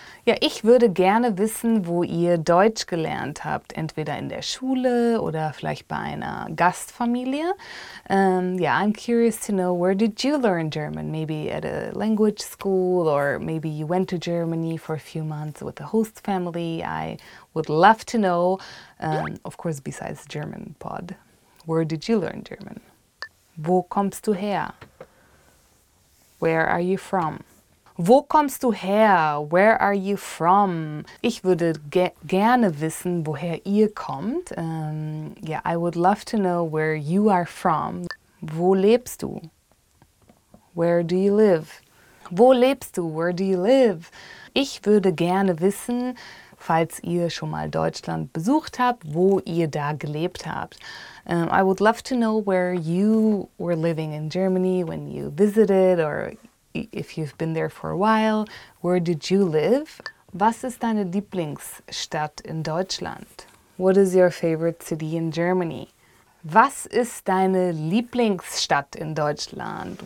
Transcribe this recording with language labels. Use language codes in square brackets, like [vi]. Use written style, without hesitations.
[de] Ja, ich würde gerne wissen, wo ihr Deutsch gelernt habt, entweder in der Schule oder vielleicht bei einer Gastfamilie. [en] Yeah, I'm curious to know, where did you learn German? Maybe at a language school, or maybe you went to Germany for a few months with a host family. I would love to know, of course, besides German pod, where did you learn German? [de] Wo kommst du her? [en] Where are you from? [de] Wo kommst du her? [en] Where are you from? [de] Ich würde gerne wissen, woher ihr kommt. [en] Yeah, I would love to know where you are from. [de] Wo lebst du? [en] Where do you live? [de] Wo lebst du? [en] Where do you live? [de] Ich würde gerne wissen, falls ihr schon mal Deutschland besucht habt, wo ihr da gelebt habt. [en] I would love to know where you were living in Germany when you visited, or if you've been there for a while. Where did you live? [de] Was ist deine Lieblingsstadt in Deutschland? [en] What is your favorite city in Germany? [de] Was ist deine Lieblingsstadt in Deutschland?